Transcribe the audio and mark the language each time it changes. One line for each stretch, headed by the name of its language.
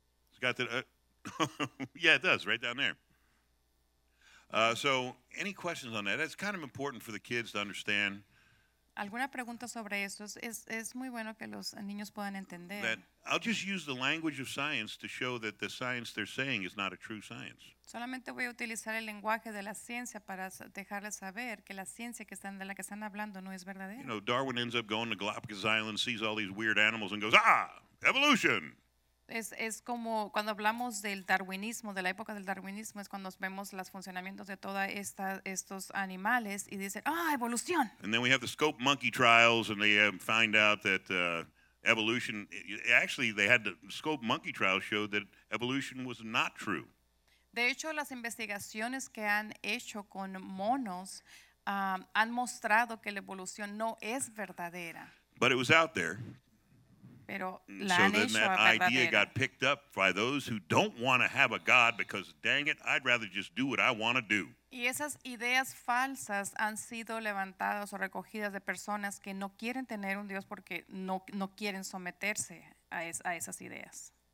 English: It's got the yeah, it does, right down there. So, any questions on that? It's kind of important for the kids to understand.
Spanish: ¿Alguna pregunta sobre esto? Es muy bueno que los niños puedan entender.
English: I'll just use the language of science to show that the science they're saying is not a true science.
Spanish: Solamente voy a utilizar el lenguaje de la ciencia para dejarles saber que la ciencia de la que están hablando no es verdadera.
English: You know, Darwin ends up going to Galapagos Island, sees all these weird animals and goes, evolution!
Spanish: Es como cuando hablamos del darwinismo, de la época del darwinismo, es cuando vemos los funcionamientos de todos estos animales y dicen, evolución.
English: And then we have the scope monkey trials and they find out that evolution, actually they had the scope monkey trials showed that evolution was not true.
Spanish: De hecho, las investigaciones que han hecho con monos han mostrado que la evolución no es verdadera.
English: But it was out there. So then that idea got picked up by those who don't want to have a God because, dang it, I'd rather just do what I want to do.
Spanish: Y esas ideas falsas han sido levantadas o recogidas de personas que no quieren tener un Dios porque no quieren someterse a esas ideas.